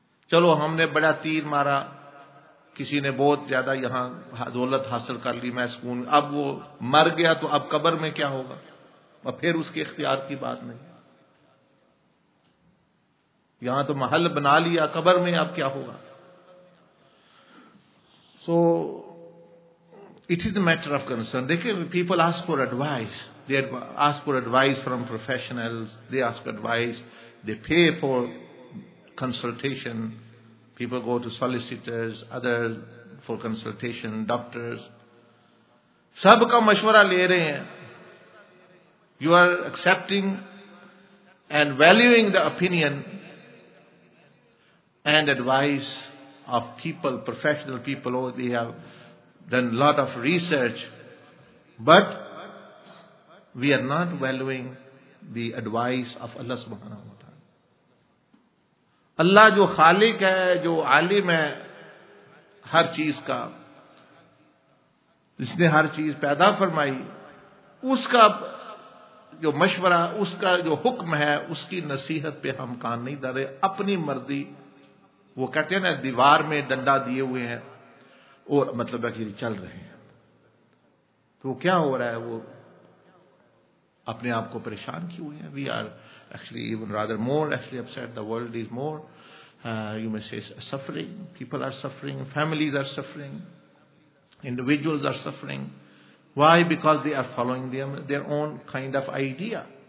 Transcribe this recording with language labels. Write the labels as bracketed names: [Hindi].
[Urdu] چلو ہم نے بڑا تیر مارا, کسی نے بہت زیادہ یہاں دولت حاصل کر لی, میں سکون, اب وہ مر گیا تو اب قبر میں کیا ہوگا؟ اور پھر اس کے اختیار کی بات نہیں, یہاں تو محل بنا لیا, قبر میں اب کیا ہوگا؟ [English] So it is a matter of concern. دیکھیں people ask for advice, they ask for advice from professionals, they ask advice, they pay for consultation. People go to solicitors, others for consultation, doctors. [Urdu] Sab ka mashwara le rahe hain. [English] You are accepting and valuing the opinion and advice of people, professional people. Oh, they have done a lot of research. But we are not valuing the advice of Allah subhanahu wa ta'ala. [Urdu] اللہ جو خالق ہے, جو عالم ہے ہر چیز کا, جس نے ہر چیز پیدا فرمائی, اس کا جو مشورہ, اس کا جو حکم ہے, اس کی نصیحت پہ ہم کان نہیں دھرے اپنی مرضی. وہ کہتے ہیں نا دیوار میں ڈنڈا دیے ہوئے ہیں اور مطلب ہے کہ چل رہے ہیں, تو کیا ہو رہا ہے؟ وہ اپنے آپ کو پریشان کیوں ہوئے ہیں؟ [English] We are actually even rather more actually upset. The world is more you may say suffering, people are suffering, families are suffering, individuals are suffering. Why? Because they are following their own kind of idea.